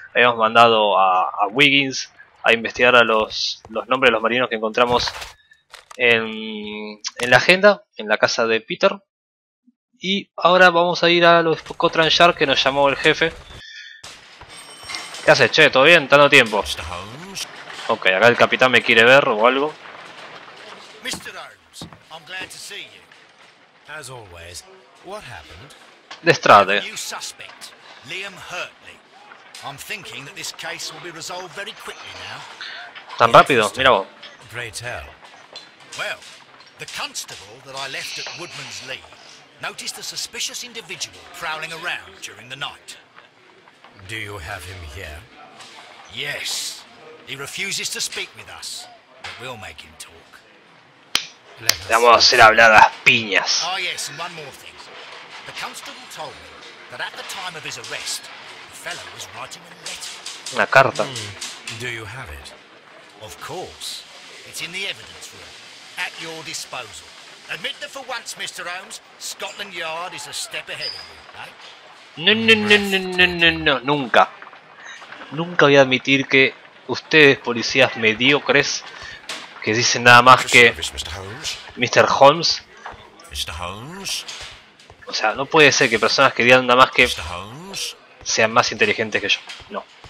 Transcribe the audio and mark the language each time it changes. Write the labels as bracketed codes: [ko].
[es] Habíamos mandado a Wiggins a investigar a los nombres de los marinos que encontramos en la agenda, en la casa de Peter. Y ahora vamos a ir a los Scotland Yard que nos llamó el jefe. ¿Qué haces, che? ¿Todo bien? ¿Tanto tiempo? [en] Mr. Holmes. [es] Ok, acá el capitán me quiere ver o algo. [en] Mr. Holmes, I'm glad to see you. As always, what happened? Lestrade. New suspect, Liam Hurtley. I'm thinking that this case will be resolved very quickly now. [es] Tan rápido, mira vos. [en] Great hell. Well, the constable that I left at Woodman's Lee noticed a suspicious individual prowling around during the night. Do you have him here? Yes. He refuses to speak with us, but we'll make him talk. [es] Vamos a hacer hablar a las piñas. [en] Ah, yes, and one more thing. The constable told me that at the time of his arrest, the fellow was writing a letter. [es] Una carta. [en] Do you have it? Of course. It's in the evidence room. At your disposal. Admit that for once, Mr. Holmes, Scotland Yard is a step ahead of you, eh? [es] No, no, no, no, no, no, no, nunca. Nunca voy a admitir que ustedes, policías mediocres, que dicen nada más que Mr. Holmes. [en] Mr. Holmes. [es] O sea, no puede ser que personas que digan nada más que sean más inteligentes que yo. No.